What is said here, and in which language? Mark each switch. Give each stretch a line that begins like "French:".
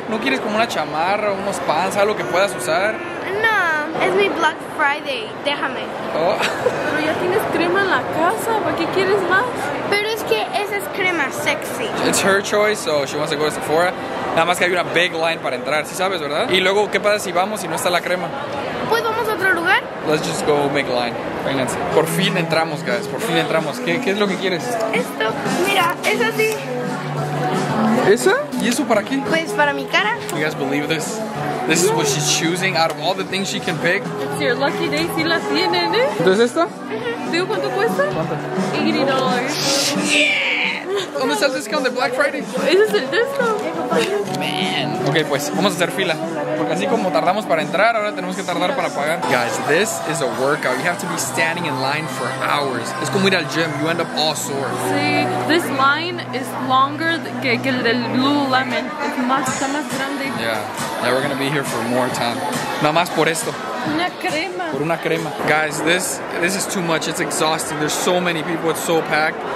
Spanish: ¿No quieres como una chamarra, unos pants, algo que puedas usar? No, es mi Black Friday, déjame. Oh. Pero ya tienes crema en la casa, ¿para qué quieres más? Pero es que esa es crema sexy.
English: It's her choice, so she wants to go to Sephora.
Spanish: Nada más que hay una
English: big line
Spanish: para entrar, ¿sí sabes, verdad? Y luego, ¿qué pasa si vamos y no está la crema? Pues vamos a otro lugar.
English: Let's just go make line.
Spanish: Vénganse. Por fin entramos, guys, por fin entramos. ¿Qué es lo que quieres? Esto, mira, es así. ¿Esa? ¿Y eso para qué? Pues para mi cara.
English: You guys believe this? This is what she's choosing out of all the things she can pick. It's your lucky day,
Spanish: si la tienen, ¿eh? ¿Entonces esta? ¿Digo cuánto cuesta?
English: $80. Yeah.
Spanish: ¿Dónde está el discount de Black Friday? Ese es el discount. Man. Okay, pues vamos a hacer fila. Porque así como tardamos para entrar, ahora tenemos que tardar para pagar.
English: Guys, this is a workout. You have to be standing in line for hours.
Spanish: Es como ir al gym.
English: You end up all sore. Sí, this line is longer
Spanish: que el del
English: Lululemon.
Spanish: Es más, está más grande.
English: Yeah. Yeah, we're gonna be here for more time.
Spanish: Nada más por esto. Una crema. Por una crema.
English: Guys, this is too much. It's exhausting. There's so many people. It's so packed.